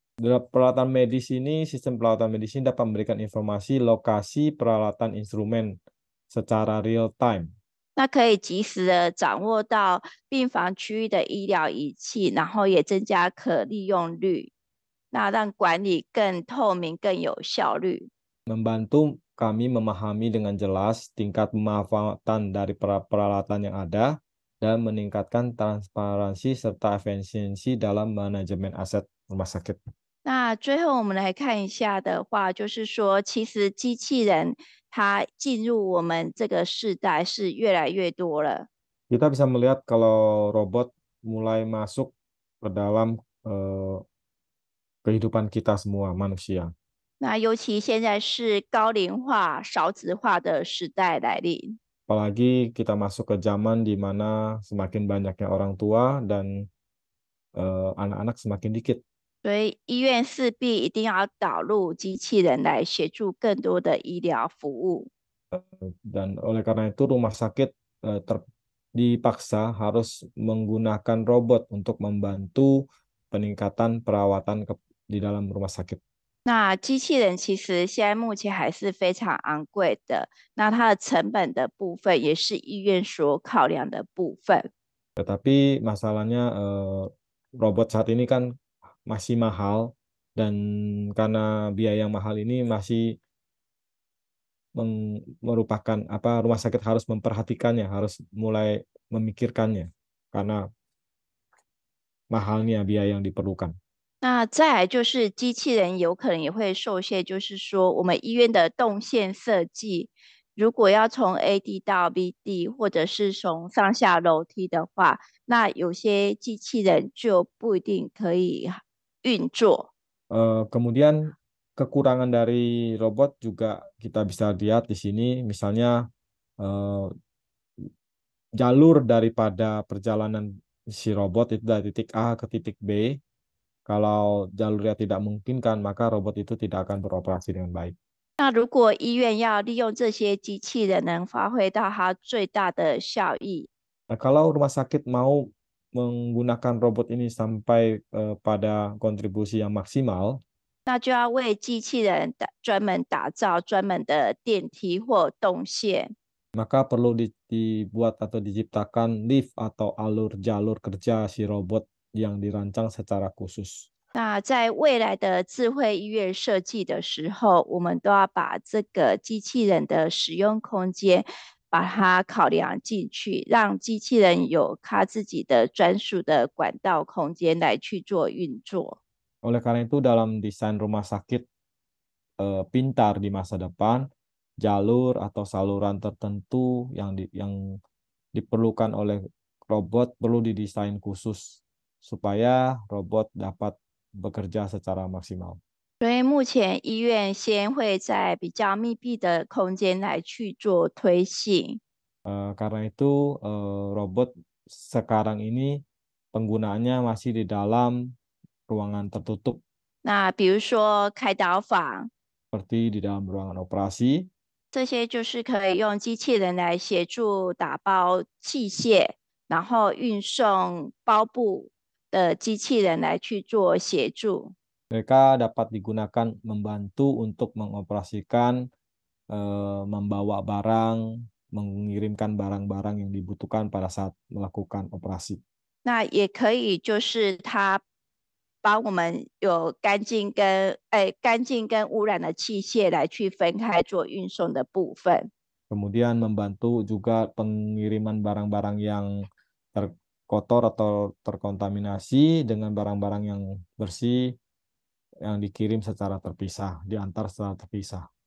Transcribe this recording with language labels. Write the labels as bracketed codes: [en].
[id] Peralatan medis ini, sistem peralatan medis ini dapat memberikan informasi lokasi peralatan instrumen secara real time. [zh] 那可以及时的掌握到病房区域的医疗仪器，然后也增加可利用率，那让管理更透明、更有效率。 [id] Membantu kami memahami dengan jelas tingkat pemanfaatan dari peralatan yang ada dan meningkatkan transparansi serta efisiensi dalam manajemen aset rumah sakit. [zh] 那最后我们来看一下的话，就是说，其实机器人它进入我们这个世代是越来越多了。 [id] Kita bisa melihat kalau robot mulai masuk ke dalam kehidupan kita semua manusia. [zh] 那尤其现在是高龄化、少子化的时代来临。 [id] Apalagi kita masuk ke zaman di mana semakin banyaknya orang tua dan anak-anak semakin dikit. [zh] 所以医院势必一定要导入机器人来协助更多的医疗服务。 [id] Dan oleh karena itu rumah sakit dipaksa harus menggunakan robot untuk membantu peningkatan perawatan di dalam rumah sakit. [zh] 那机器人其实现在目前还是非常昂贵的，那它的成本的部分也是医院所考量的部分。 [id] Tetapi masalahnya robot saat ini kan masih mahal dan karena biaya yang mahal ini masih merupakan apa rumah sakit harus memperhatikannya, harus mulai memikirkannya karena mahalnya biaya yang diperlukan. [zh] 那再来就是机器人有可能也会受限，就是说我们医院的动线设计，如果要从 AD 到 BD，或者是从上下楼梯的话，那有些机器人就不一定可以运作。 [id] Kemudian kekurangan dari robot juga kita bisa lihat di sini, misalnya jalur daripada perjalanan si robot itu dari titik A ke titik B. Kalau jalurnya tidak memungkinkan, maka robot itu tidak akan beroperasi dengan baik. [zh] 那如果医院要利用这些机器人，能发挥到它最大的效益？ [id] Nah, kalau rumah sakit mau menggunakan robot ini sampai pada kontribusi yang maksimal, [zh] 那就要为机器人专门打造专门的电梯或动线。 [id] maka perlu dibuat atau diciptakan lift atau alur-jalur kerja si robot yang dirancang secara khusus. [zh] 那在未来的智慧医院设计的时候，我们都要把这个机器人的使用空间，把它考量进去，让机器人有它自己的专属的管道空间来去做运作。 [id] Oleh karena itu, dalam desain rumah sakit pintar di masa depan, jalur atau saluran tertentu yang diperlukan oleh robot perlu didesain khusus supaya robot dapat bekerja secara maksimal. [zh] 所以目前医院先会在比较密闭的空间来去做推行。 [id] Karena itu, robot sekarang ini penggunaannya masih di dalam ruangan tertutup. [zh] 那比如说开刀房。 [id] Seperti di dalam ruangan operasi. [zh] 这些就是可以用机器人来协助打包器械，然后运送包布的机器人来去做协助。 [id] Mereka dapat digunakan membantu untuk mengoperasikan, membawa barang, mengirimkan barang-barang yang dibutuhkan pada saat melakukan operasi. [zh] 那也可以，就是它帮我们有干净跟污染的器械来去分开做运送的部分。 [id] Kemudian membantu juga pengiriman barang-barang yang terkotor atau terkontaminasi dengan barang-barang yang bersih yang dikirim secara terpisah, diantar secara terpisah.